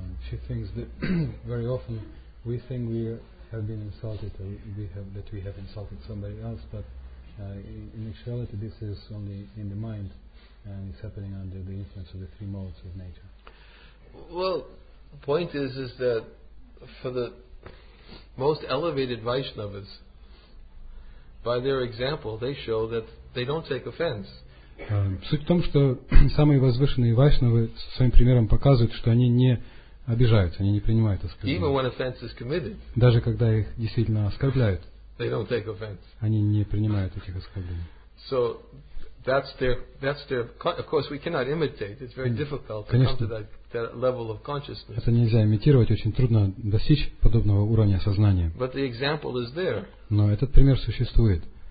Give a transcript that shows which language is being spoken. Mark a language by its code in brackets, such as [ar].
[en] She thinks that very often we think we have been insulted, or we have insulted somebody else, but in actuality this is only in the mind, and it's happening under the influence of the three modes of nature. Well, the point is that for the most elevated Vaishnavas, by their example, they show that they don't take offense. [ru] Суть в том, что самые возвышенные Вайшнавы своим примером показывают, что они не обижаются, они не принимают оскорбления. Даже когда их действительно оскорбляют, [en] they don't take offense. [ru] Они не принимают этих оскорблений. [en] So that's their. Of course, we cannot imitate. It's very difficult to come to that level of consciousness. [ru] Это нельзя имитировать, очень трудно достичь подобного уровня сознания. [en] But the example is there. [ru] Но этот пример существует.